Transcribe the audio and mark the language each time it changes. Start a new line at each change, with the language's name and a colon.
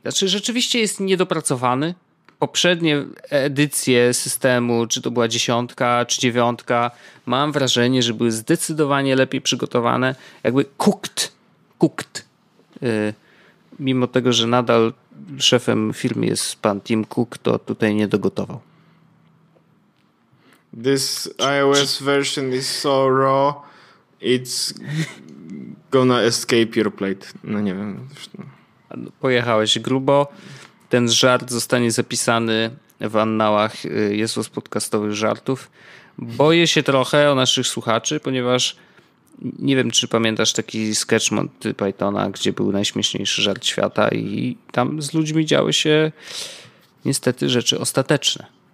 Polish: Znaczy, rzeczywiście jest niedopracowany. Poprzednie edycje systemu, czy to była 10, czy 9, mam wrażenie, że były zdecydowanie lepiej przygotowane. Jakby cooked. Mimo tego, że nadal szefem firmy jest pan Tim Cook, to tutaj nie dogotował.
English: This iOS version is so raw, it's gonna escape your plate.
Polish: No nie wiem. Pojechałeś grubo. Ten żart zostanie zapisany w annałach Jezus podcastowych żartów. Boję się trochę o naszych słuchaczy, ponieważ nie wiem, czy pamiętasz taki sketch Monty Pythona, gdzie był najśmieszniejszy żart świata i tam z ludźmi działy się niestety rzeczy ostateczne.